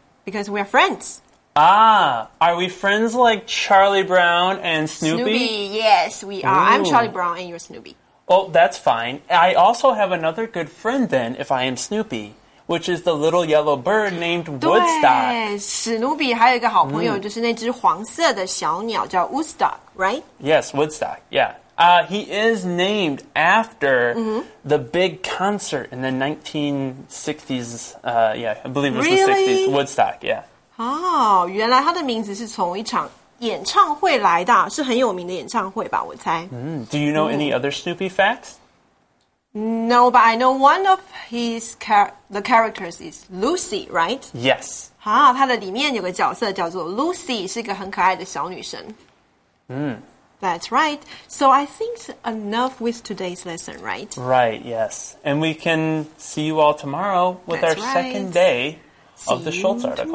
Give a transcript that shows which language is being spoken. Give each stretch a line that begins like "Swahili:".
English: Because we are friends. Ah, are we friends like Charlie Brown and Snoopy? Snoopy, yes, we are. Ooh. I'm Charlie Brown and you're Snoopy. Oh, that's fine. I also have another good friend then, if I am Snoopy, which is the little yellow bird named Woodstock.
Chinese: 对，史努比还有一个好朋友，就是那只黄色的小鸟叫 Woodstock, right?
English: Yes, Woodstock, yeah. He is named after the big concert in the 1960s, I believe it was really? The 60s, Woodstock, yeah.
Chinese: Oh, 原来他的名字是从一场演唱会来的，是很有名的演唱会吧，我猜。
English: Do you know any other Snoopy facts? No, but I know one of his the characters is Lucy, right? Yes.
Chinese: 好，他的里面有个角色叫做 Lucy, 是一个很可爱的小女生。
English: That's right. So I think enough with today's lesson, right? Right, yes. And we can see you all tomorrow with That's our right. second day of the Schultz article.